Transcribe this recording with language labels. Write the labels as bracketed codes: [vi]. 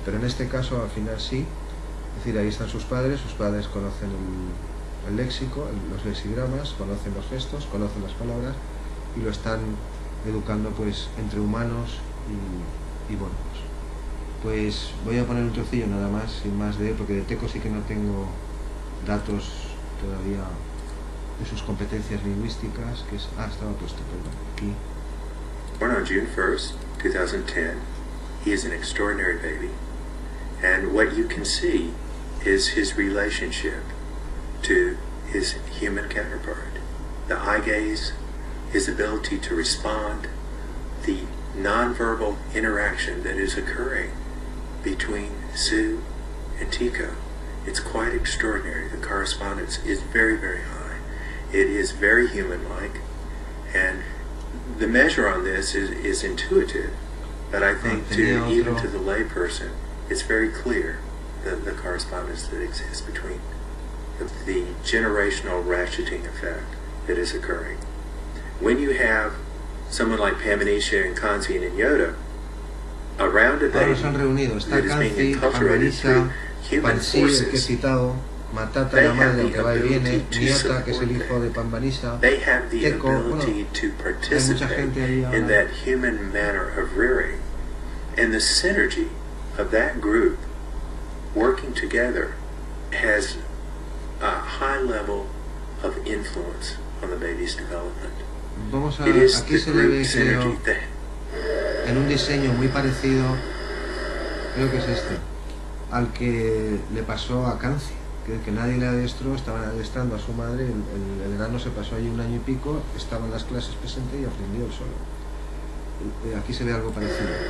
[es] Pero en este caso al final sí, es decir, ahí están sus padres conocen el léxico, los lexigramas, conocen los gestos, conocen las palabras, y lo están educando pues entre humanos y bueno, pues voy a poner un trocillo nada más, sin más, de él, porque de Teco sí que no tengo datos todavía de sus competencias lingüísticas, que es... estaba puesto, perdón, aquí. [en] Born on June 1st, 2010, he is an extraordinary baby, and what you can see is his relationship to his human counterpart. The eye gaze, his ability to respond, the nonverbal interaction that is occurring between Sue and Tico, it's quite extraordinary. The correspondence is very, very high. It is very human-like, and the measure on this is intuitive, but I think even to the lay person, it's very clear the correspondence that exists between the generational ratcheting effect that is occurring. When you have someone like Pamanisha and Kanzian and Yoda, around a baby, [es] son reunidos. Está Kanzi, Pamanisha, Pansir, que he citado, Matata, la madre, que va y viene, Nyota, que es el hijo de Pamanisha, Teco, bueno, hay mucha gente ahí ahora. [en] In that human manner of rearing, and the synergy of that group working together has a high level of influence on the baby's development. [es] Vamos a ver, aquí se le ve, creo, en un diseño muy parecido, creo que es este, al que le pasó a Kanzi, que nadie le adiestró, estaban adiestrando a su madre, el enano se pasó allí un año y pico, estaba en las clases presente y aprendió él solo. Aquí se ve algo parecido.